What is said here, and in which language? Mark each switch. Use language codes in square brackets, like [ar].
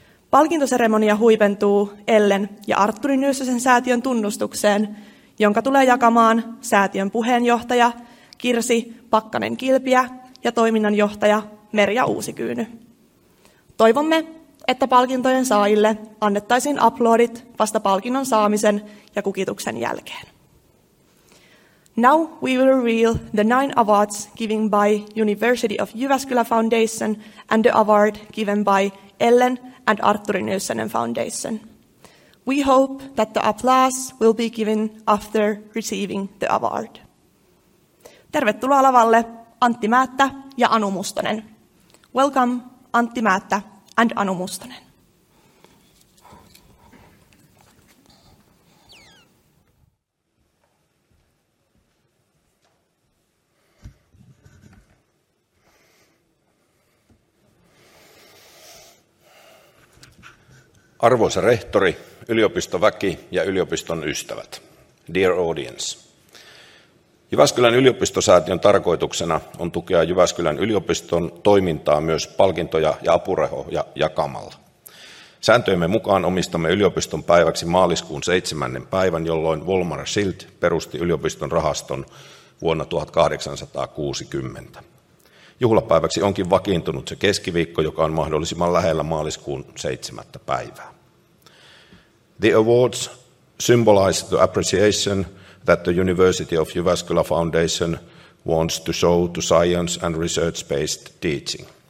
[fi] Palkintoseremonia huipentuu Ellen ja Arturi Nyyssösen säätiön tunnustukseen, jonka tulee jakamaan säätiön puheenjohtaja Kirsi Pakkanen-Kilpiä ja toiminnanjohtaja Merja Uusikyyny. Toivomme, että palkintojen saajille annettaisiin uploadit vasta palkinnon saamisen ja kukituksen jälkeen. [en] Now we will reveal the 9 awards given by University of Jyväskylä Foundation and the award given by Ellen and Arturi Nyyssönen Foundation. We hope that the applause will be given after receiving the award. [fi] Tervetuloa lavalle Antti Määttä ja Anu Mustonen. [en] Welcome Antti Määttä and Anu Mustonen. [fi] Arvoisa rehtori, yliopistoväki ja yliopiston ystävät. [en] Dear audience. [fi] Jyväskylän yliopistosäätiön tarkoituksena on tukea Jyväskylän yliopiston toimintaa myös palkintoja ja apurahoja jakamalla. Sääntöjemme mukaan omistamme yliopiston päiväksi maaliskuun 7. päivän, jolloin Volmar Schild perusti yliopiston rahaston vuonna 1860. Juhlapäiväksi onkin vakiintunut se keskiviikko, joka on mahdollisimman lähellä maaliskuun 7. [en] päivää. The awards symbolize the appreciation that the University of Jyväskylä Foundation wants to show to science and research-based teaching.